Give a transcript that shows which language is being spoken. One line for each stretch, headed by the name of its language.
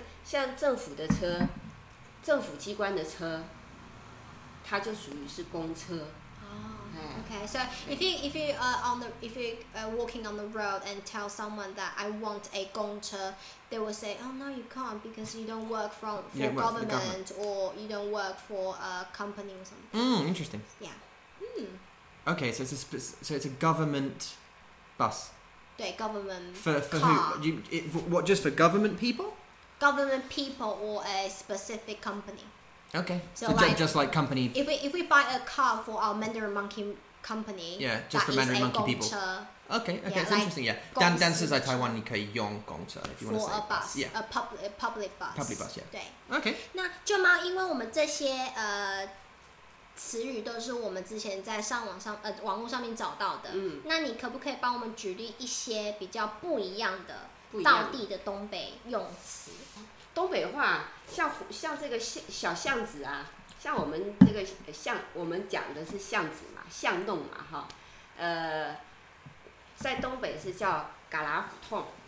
Chinese: 像政府的车，政府机关的车，它就属于是公车。
English: Okay, so if you're walking on the road and tell someone that I want a 公车, they will say, oh no, you can't because you don't work for government or you don't work for a company or something. Hmm, interesting. Yeah. Okay, so it's a government bus. 对, government for car. Who? Just for government people? Government people or a specific company. Okay, so just like company. If we buy a car for our Mandarin Monkey company, yeah, just for Mandarin Monkey people. Okay, yeah, it's interesting. Yeah, dancers in Taiwan, you can use 公车 if you want to say for a bus, yeah, a public bus, yeah.
Chinese: 对
English: ，Okay.
Chinese: 那舅妈，因为我们这些词语都是我们之前在网络上面找到的，嗯，那你可不可以帮我们举例一些比较不一样的道地的东北用词？东北话像这个小巷子啊，像我们这个巷，我们讲的是巷子嘛，巷弄嘛，哈，在东北是叫旮旯胡同。